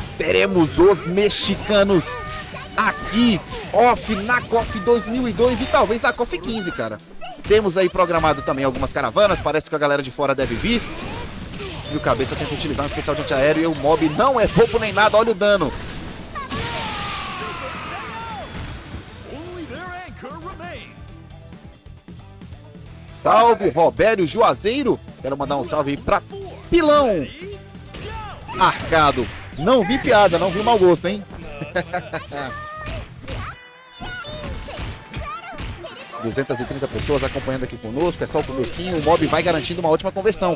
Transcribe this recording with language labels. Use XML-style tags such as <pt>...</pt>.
<pt>Teremos os mexicanos aqui, off, na KOF 2002 e talvez na KOF 15, cara. Temos aí programado também algumas caravanas. Parece que a galera de fora deve vir. E o cabeça tenta utilizar um especial de antiaéreo. E o mob não é pouco nem nada. Olha o dano.</pt> <en>Only their anchor remains.</en> <pt>salve, Robério Juazeiro. Quero mandar um salve aí pra Pilão Arcado. Não vi piada, não vi mau gosto, hein? Não. 230 pessoas acompanhando aqui conosco. É só o comecinho. O mob vai garantindo uma ótima conversão.</pt>